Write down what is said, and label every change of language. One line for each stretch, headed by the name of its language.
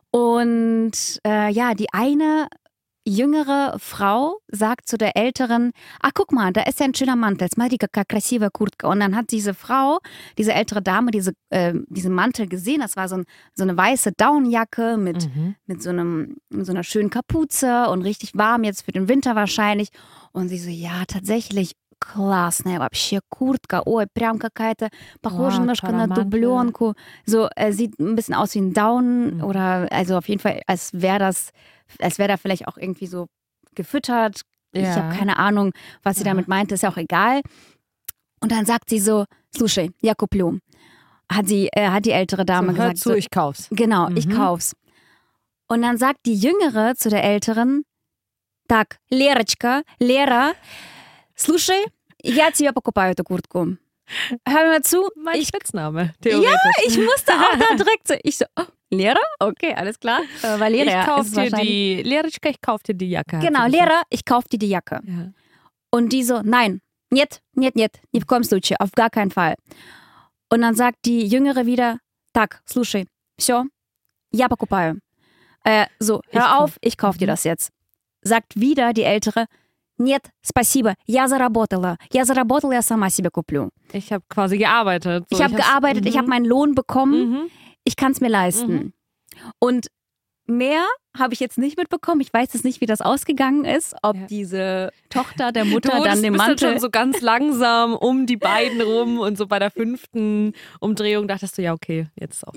German: Und die eine jüngere Frau sagt zu der älteren, ach guck mal, da ist ja ein schöner Mantel, jetzt mal die
Russian: krasive Kurtka.
German: Und dann hat diese Frau, diese ältere Dame, diesen Mantel gesehen. Das war so eine weiße Daunenjacke mit so einer schönen Kapuze und richtig warm jetzt für den Winter wahrscheinlich. Und sie so, ja, tatsächlich,
Russian: классная вообще куртка, ой, прям какая-то, похоже немножко на дубленку.
German: So, sieht ein bisschen aus wie ein Daunen oder, also auf jeden Fall, als wäre da vielleicht auch irgendwie so gefüttert. Ja. Ich habe keine Ahnung, was sie damit meinte, ist ja auch egal. Und dann sagt sie so,
Russian: слушай, я куплю.
German: hat die ältere Dame so, hör gesagt. Hör zu, so, ich kauf's. Genau, mhm. ich kauf's. Und dann sagt die Jüngere zu der Älteren, tak, Lehrerchka, Lehrer,
Russian: слушай, я тебе покупаю эту куртку.
German: Hör mir mal zu. Mein Spitzname, theoretisch. Ja, ich musste auch da direkt so, ich so, oh, Lehrer, okay, alles klar. Valeria, ich kauf dir die, Lehrerchka, ich kauf dir die Jacke. Genau, Lehrer, ich kauf dir die Jacke. Ja. Und die so, nein,
Russian: нет, нет, нет, не
German: bekommst du, auf gar keinen Fall. Und dann sagt die Jüngere wieder,
Russian: tak, слушай, все, я покупаю.
German: So, hör ich auf, ich kauf dir das jetzt. Sagt wieder die Ältere,
Russian: нет, спасибо, я заработала, я сама себе куплю.
German: Ich habe quasi gearbeitet. So, ich habe gearbeitet, mm-hmm. ich habe meinen Lohn bekommen, mm-hmm. ich kann es mir leisten. Mm-hmm. Und mehr habe ich jetzt nicht mitbekommen. Ich weiß jetzt nicht, wie das ausgegangen ist, ob ja. diese Tochter der Mutter dann den Mantel... Du bist dann schon so ganz langsam um die beiden rum und so bei der fünften Umdrehung dachtest du, ja okay, jetzt ist auch...